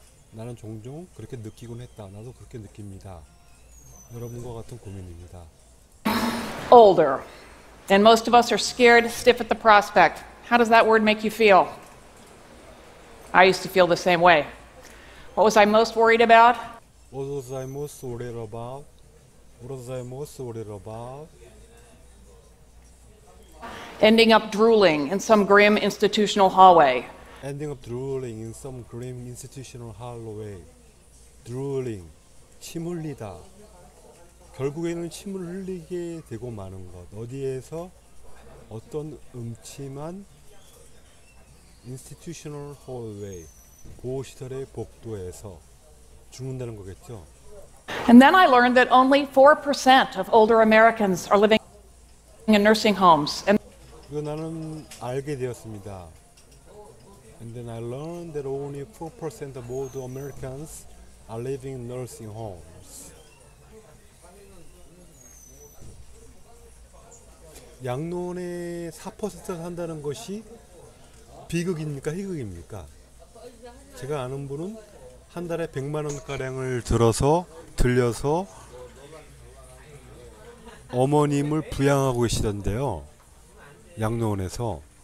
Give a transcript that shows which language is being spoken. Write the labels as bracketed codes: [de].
[ko] 나는 종종 그렇게 느끼곤 했다. 나도 그렇게 느낍니다. 여러분과 같은 고민입니다. [en] Older, and most of us are scared stiff at the prospect. How does that word make you feel? I used to feel the same way. What was I most worried about? What was I most worried about? What was I most worried about? Ending up drooling in some grim institutional hallway. Ending up drooling in some grim institutional hallway. [ko] Drooling, 침 흘리다. 결국에는 침을 흘리게 되고 마는 것. 어디에서 어떤 음침한 [en] institutional hallway, [ko] 보호시설의 복도에서 죽는다는 거겠죠. [en] And then I learned that only 4% of older Americans are living in nursing homes. [ko] 이거 나는 알게 되었습니다. [en] And then I learned that only 4% of older Americans are living in nursing homes. [ko] 양론의 4% 산다는 것이 비극입니까? 희극입니까? 제가 아는 분은 한 달에 100만 원가량을 들려서 어머님을 부양하고 계시던데요. 양론에서.